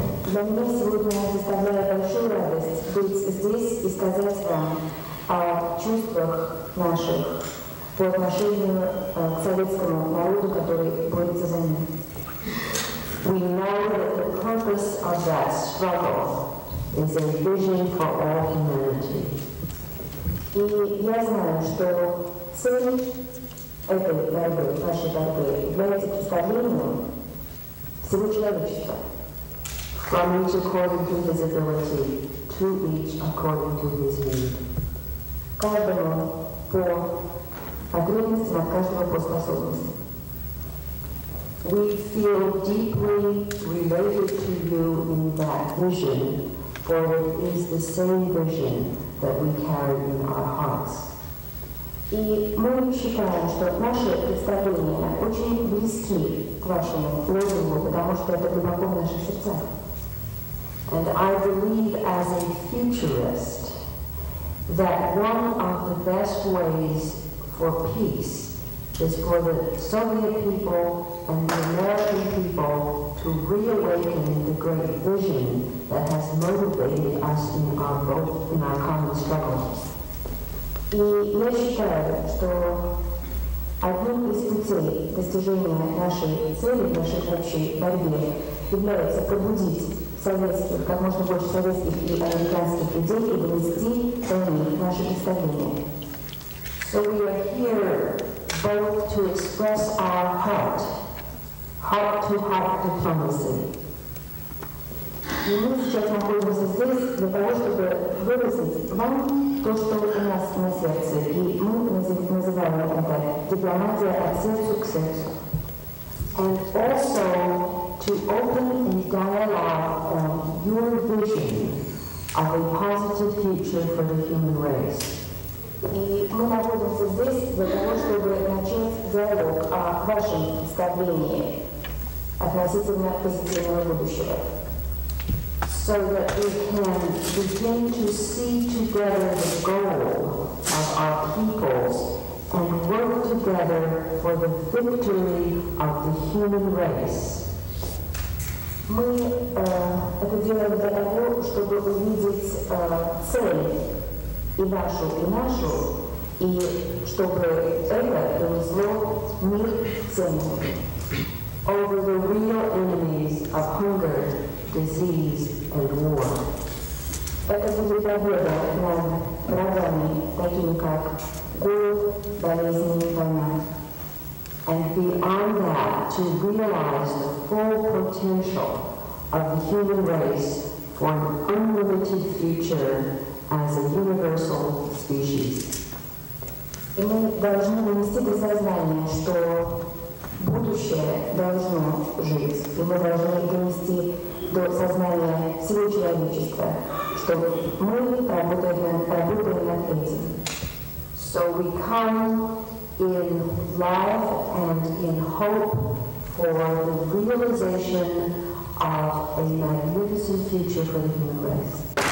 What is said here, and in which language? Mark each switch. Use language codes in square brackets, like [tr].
[ru] Для меня сегодня составляет большую радость быть здесь и сказать вам о чувствах наших по отношению к советскому народу, который борется за мир. [en] We know that the purpose of that struggle is a vision for all humanity. [ru] И я знаю, что цель этой борьбы, нашей борьбы, является представлением всего человечества. [en] From each according to his ability, to each according to his need. [ru] Каждому по потребностям, от каждого по способности. [en] We feel deeply related to you in that vision, for it is the same vision that we carry in our hearts. [ru] И мы считаем, что наши представления очень близки к вашему лозунгу, потому что это глубоко в наших сердцах. [en] And I believe as a futurist that one of the best ways for peace is for the Soviet people and the American people to reawaken the great vision that has motivated us in our both in our common struggle. [ru] И я считаю, что одним из путей достижения нашей цели, нашей общей борьбы, является пробудить советских, как можно больше советских и американских людей и донести до них наши представления. [en] So we are here both to express our heart, heart-to-heart diplomacy. [ru] И мы сейчас находимся здесь для того, чтобы выразить вам то, что у нас на сердце. И мы называем это дипломатия от сердца к сердцу. [en] And also to open a dialogue on your vision of a positive future for the human race. [ru] И мы находимся здесь для того, чтобы начать диалог о вашем представлении относительно позитивного будущего. [en] So that we can begin to see together the goal of our peoples and work together for the victory of the human race. [ru] Мы это делаем для того, чтобы увидеть цель и нашу, и чтобы это принесло мир всему. [en] Over the real enemies of hunger, disease, and war. [ru] Это будет победа над врагами, такими как голод, болезни, война. [en] And beyond that, to realize the full potential of the human race for an unlimited future as a universal species. [ru] И мы должны донести до сознания, что будущее должно жить, и мы должны донести до сознания всего человечества, что мы работаем над этим. [en] So we come in love and in hope for the realization of a magnificent future for the human race.